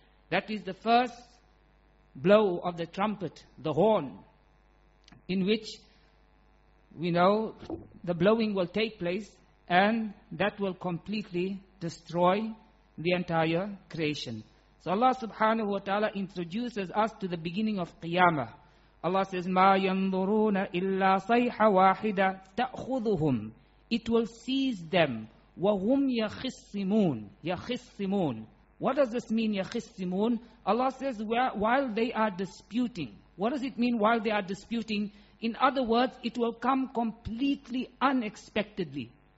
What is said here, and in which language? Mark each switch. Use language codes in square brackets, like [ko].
[en] That is the first blow of the trumpet, the horn, in which we know the blowing will take place and that will completely destroy the entire creation. So Allah subhanahu wa ta'ala introduces us to the beginning of Qiyamah. Allah says, [ar] مَا يَنْظُرُونَ إِلَّا صَيْحَ وَاحِدَةً تَأْخُذُهُمْ. [en] It will seize them. [ar] وَهُمْ يَخِصِّمُونَ. يَخِصِّمُونَ. [en] What does this mean, يَخِصِّمُونَ? Allah says, while they are disputing. What does it mean while they are disputing? In other words, it will come completely unexpectedly.